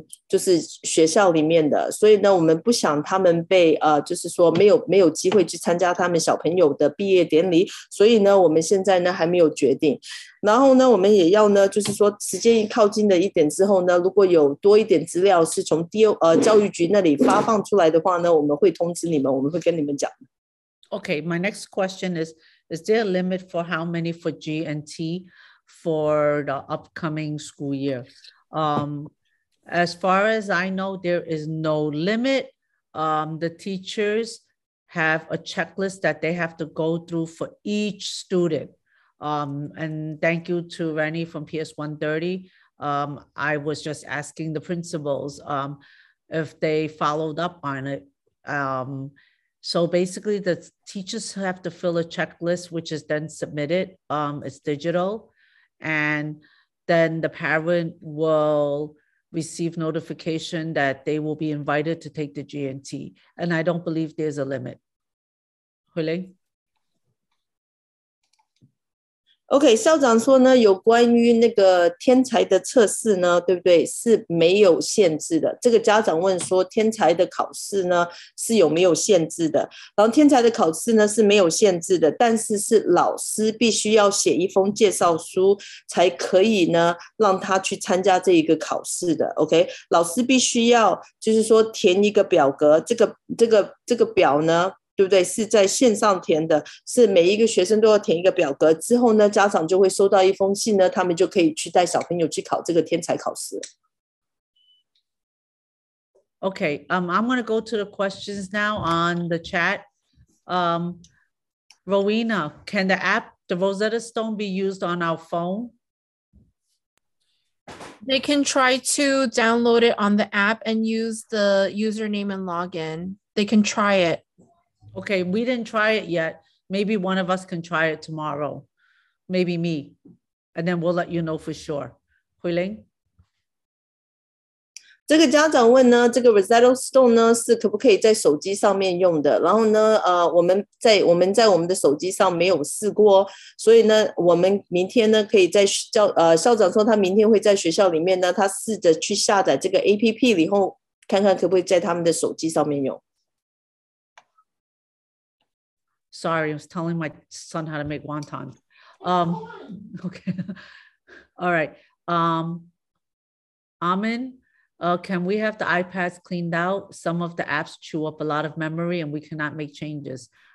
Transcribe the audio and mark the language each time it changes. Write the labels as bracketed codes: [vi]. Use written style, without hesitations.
[zh] 就是学校里面的，所以呢我们不想他们被就是说没有机会去参加他们小朋友的毕业典礼，所以呢我们现在呢还没有决定。然后呢我们也要呢就是说时间一靠近了一点之后呢，如果有多一点资料是从教育局那里发放出来的话呢，我们会通知你们，我们会跟你们讲。 [en] Okay, my next question is there a limit for how many for GNT for the upcoming school year? As far as I know, there is no limit. The teachers have a checklist that they have to go through for each student. And thank you to Rennie from PS130. I was just asking the principals if they followed up on it. So basically the teachers have to fill a checklist, which is then submitted. It's digital. And then the parent will receive notification that they will be invited to take the GNT. And I don't believe there's a limit. Huling? [zh] Okay, 校长说呢，有关于那个天才的测试呢，对不对？是没有限制的。这个家长问说，天才的考试呢，是有没有限制的？然后天才的考试呢，是没有限制的，但是是老师必须要写一封介绍书，才可以呢，让他去参加这一个考试的。 OK， 老师必须要就是说填一个表格，这个表呢，对不对？是在线上填的，是每一个学生都要填一个表格，之后呢家长就会收到一封信呢，他们就可以去带小朋友去考这个天才考试。 [en] Okay, I'm going to go to the questions now on the chat. Rowena, can the app, the Rosetta Stone, be used on our phone? They can try to download it on the app and use the username and login. They can try it. Okay, we didn't try it yet. Maybe one of us can try it tomorrow. Maybe me. And then we'll let you know for sure. Huiling? [zh] 这个家长问呢，这个 Rosetta Stone 呢是可不可以在手机上面用的？然后呢，我们在我们的手机上没有试过，所以呢，我们明天呢可以在校长说他明天会在学校里面呢，他试着去下载这个 APP 以后，看看可不可以在他们的手机上面用。 [en] Sorry, I was telling my son how to make wonton. Okay. All right. Amin, can we have the iPads cleaned out? Some of the apps chew up a lot of memory and we cannot make changes.